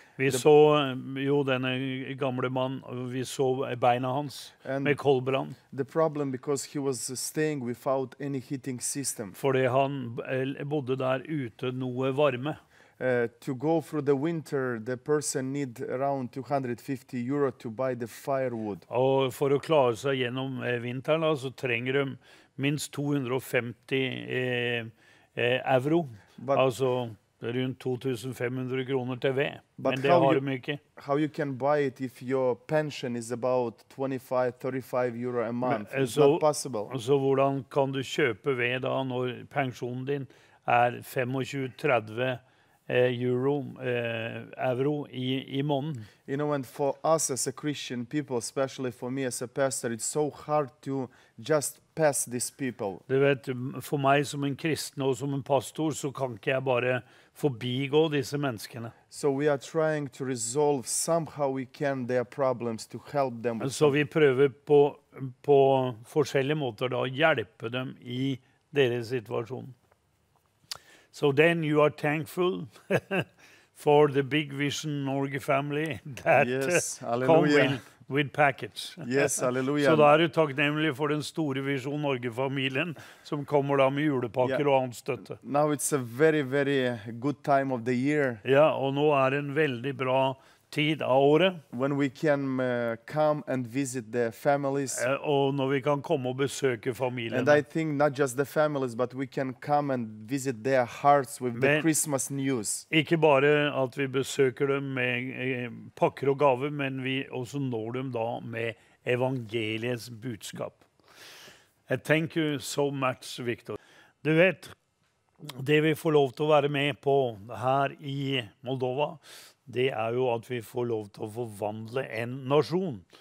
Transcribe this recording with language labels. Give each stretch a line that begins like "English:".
Norwegian: Vi så jo denne gamle mann, vi så beina hans med koldbrann.
English: The problem because he was staying without any heating system.
Norwegian: Fordi han bodde der ute noe varme.
English: To go through the winter, the person need around 250 euro to buy the firewood.
Norwegian: Og for å klare seg gjennom vinteren, så trenger de minst 250 euro, but, altså rundt 2500 kroner til ved. Men det har de ikke.
English: How you can buy it if your pension is about 25-35 euro a month? Men, it's not possible.
Norwegian: Så hvordan kan du kjøpe ved da når pensjonen din er 25-30 euro, euro i måneden.
English: You know, and for us as a Christian people, especially for me as a pastor, it's so hard to just pass these people.
Norwegian: Du vet, for meg som en kristen og som en pastor, så kan ikke jeg bare forbigå disse menneskene.
English: So we are trying to resolve somehow we can their problems to help them.
Norwegian: Så vi prøver på forskjellige måter da å hjelpe dem i deres situasjon.
English: So then you are thankful for the big vision Norge family that come with package. Yes, hallelujah.
Norwegian: Så da du takknemlig for den store visjon Norge-familien som kommer da med julepakker og annet støtte.
English: Now it's a very, very good time of the year.
Norwegian: Ja, og nå en veldig bra tid av året.
English: When we can come and visit the families.
Norwegian: Og når vi kan komme og besøke familien.
English: And I think not just the families, but we can come and visit their hearts with the Christmas news.
Norwegian: Ikke bare at vi besøker dem med pakker og gaver, men vi også når dem da med evangeliets budskap.
English: Thank you so much,
Norwegian: Victor. Du vet, det vi får lov til å være med på her i Moldova, det jo at vi får lov til å forvandle en nasjon.